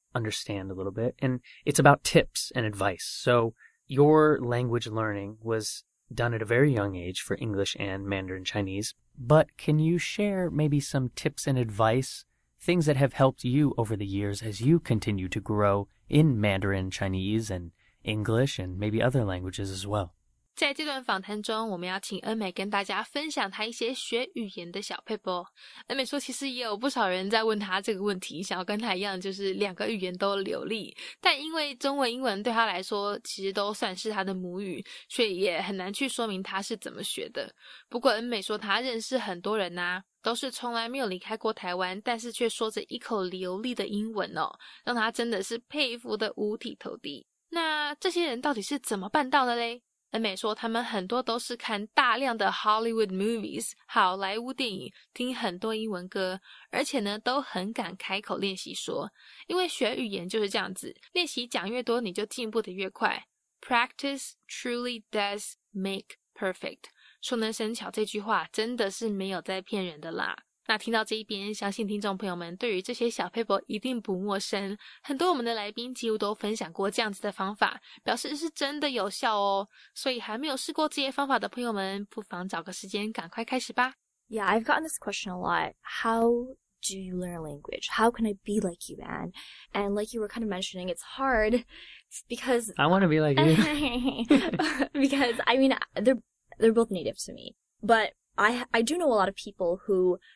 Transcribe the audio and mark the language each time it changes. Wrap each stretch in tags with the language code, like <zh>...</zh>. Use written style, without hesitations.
<en>Understand a little bit. And it's about tips and advice. So your language learning was done at a very young age for English and Mandarin Chinese. But can you share maybe some tips and advice, things that have helped you over the years as you continue to grow in Mandarin Chinese and English and maybe other languages as well?</en> <zh>在这段访谈中，我们要请恩美跟大家分享她一些学语言的小撇步。恩美说，其实也有不少人在问她这个问题，想要跟她一样，就是两个语言都流利。但因为中文、英文对她来说，其实都算是她的母语，所以也很难去说明她是怎么学的。不过恩美说，她认识很多人啊，都是从来没有离开过台湾，但是却说着一口流利的英文哦，让她真的是佩服的五体投地。那这些人到底是怎么办到的嘞？恩美说，他们很多都是看大量的</zh> <en>Hollywood movies,</en> <zh>好莱坞电影，听很多英文歌，而且呢，都很敢开口练习说。因为学语言就是这样子，练习讲越多，你就进步的越快。</zh> <en>Practice truly does make perfect.</en> <zh>熟能生巧这句话真的是没有在骗人的啦。那听到这一边，相信听众朋友们对于这些小撇步一定不陌生，很多我们的来宾几乎都分享过这样子的方法，表示是真的有效哦。所以还没有试过这些方法的朋友们，不妨找个时间赶快开始吧。</zh> <en>Yeah, I've gotten this question a lot. How do you learn a language? How can I be like you, Anne? And like you were kind of mentioning, it's hard because... I want to be like you. Because, I mean, they're both native to me. But I do know a lot of people who...</en>